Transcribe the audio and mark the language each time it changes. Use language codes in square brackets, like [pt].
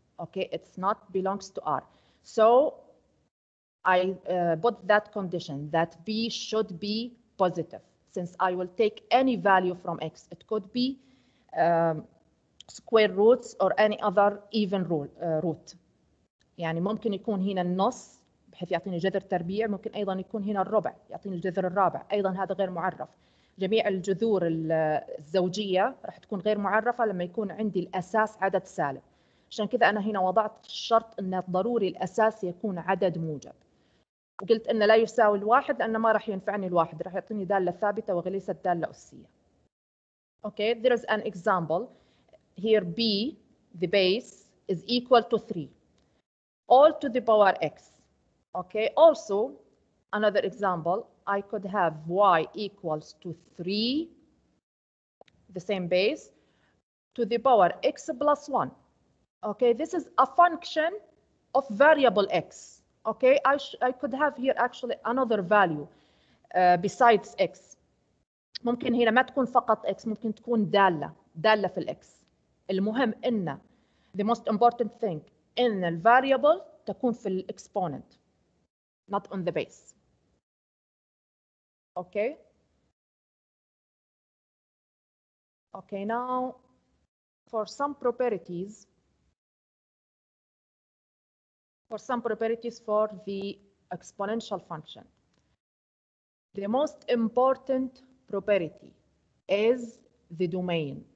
[en] Okay, it's not belongs to R. So I put that condition that B should be positive, since I will take any value from X. It could be square roots or any other even root. [ar] يعني ممكن يكون هنا النص بحيث يعطيني جذر تربيع، ممكن أيضا يكون هنا الربع يعطيني الجذر الرابع، أيضا هذا غير معرف. جميع الجذور الزوجية راح تكون غير معرفة لما يكون عندي الأساس عدد سالب. عشان كذا أنا هنا وضعت الشرط أن ضروري الأساس يكون عدد موجب، وقلت أن لا يساوي الواحد لأنه ما راح ينفعني الواحد، راح يعطيني دالة ثابتة وليست دالة أسية. [en] Okay, there is an example. Here b, the base, is equal to 3. All to the power x. Okay, also, another example, I could have y equals to 3, the same base, to the power x plus 1. Okay, this is a function of variable x. Okay, I could have here actually another value besides x. [ar] ممكن هنا ما تكون فقط x، ممكن تكون دالة في x. المهم إن [en] the most important thing [ar] إن [en] the variable [ar] تكون في [en] the exponent not on the base. Okay. Okay, now for some properties for the exponential function, the most important property is the domain.